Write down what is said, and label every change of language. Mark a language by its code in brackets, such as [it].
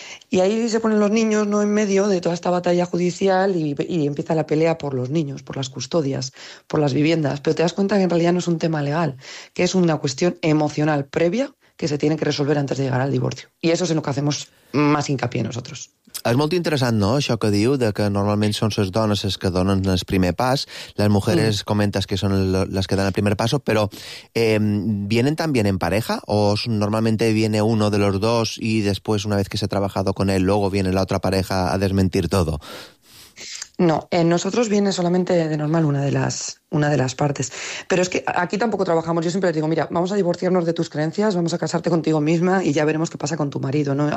[es] Y ahí se ponen los niños, ¿no?, en medio de toda esta batalla judicial y empieza la pelea por los niños, por las custodias, por las viviendas. Pero te das cuenta que en realidad no es un tema legal, que es una cuestión emocional previa que se tiene que resolver antes de llegar al divorcio. Y eso es en lo que hacemos más hincapié nosotros. [ca] És molt interessant, no?, això que diu, de que normalment són les dones les que donen el primer pas, les mujeres comentes que són les que [es] dan el primer paso, [ca] però [es] ¿vienen también en pareja? ¿O normalmente viene uno de los dos y después, una vez que se ha trabajado con él, luego viene la otra pareja a desmentir todo? No, en nosotros viene solamente de normal una de las partes. Pero es que aquí tampoco trabajamos. Yo siempre les digo, mira, vamos a divorciarnos de tus creencias, vamos a casarte contigo misma y ya veremos qué pasa con tu marido, ¿no?